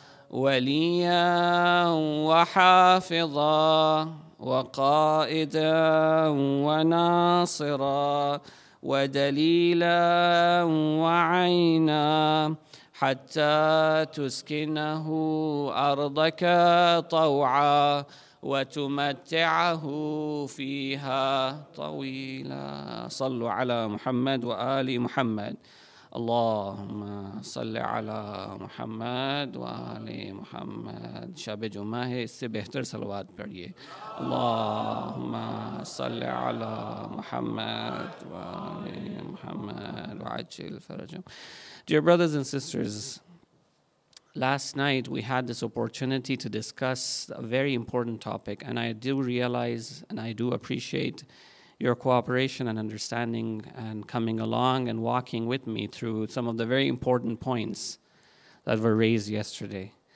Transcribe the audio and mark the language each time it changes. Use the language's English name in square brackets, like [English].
[Arabic] وليا وحافظا وقائدا وناصرا ودليلا وعينا حتى تسكنه أرضك طوعا وتمتعه فيها طويلا. صلوا على محمد وآل محمد. اللهم صل على محمد وآل محمد. [Urdu] شب جمعہ ہے، اس سے بہتر صلوات پڑھیے. [Arabic] اللهم صل على محمد وآل محمد وعجل فرجهم. [English] Dear brothers and sisters, last night we had this opportunity to discuss a very important topic, and I do realize and I do appreciate your cooperation and understanding and coming along and walking with me through some of the very important points that were raised yesterday.